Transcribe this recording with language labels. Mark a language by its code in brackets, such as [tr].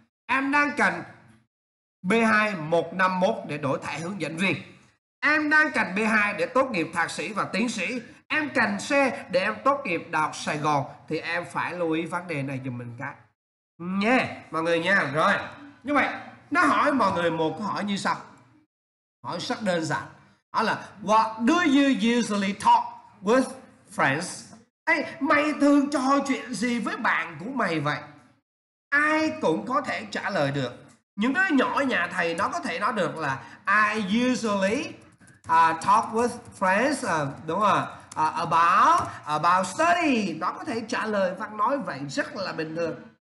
[vi] Em đang cần B2 151 để đổi thẻ hướng dẫn viên. Em đang cần B2 để tốt nghiệp thạc sĩ và tiến sĩ. Em cần C để em tốt nghiệp Đại học Sài Gòn. Thì em phải lưu ý vấn đề này giùm mình cả. Nha, yeah, mọi người nha. Rồi, như vậy nó hỏi mọi người một câu hỏi như sau. Hỏi rất đơn giản. Hỏi là [en] what do you usually talk with friends? [vi] Hey, mày thường trò chuyện gì với bạn của mày vậy? Ai cũng có thể trả lời được. Những đứa nhỏ nhà thầy nó có thể nói được là [en] I usually talk with friends, [vi] đúng không? [en] About study. [vi] Nó có thể trả lời và nói vậy rất là bình thường.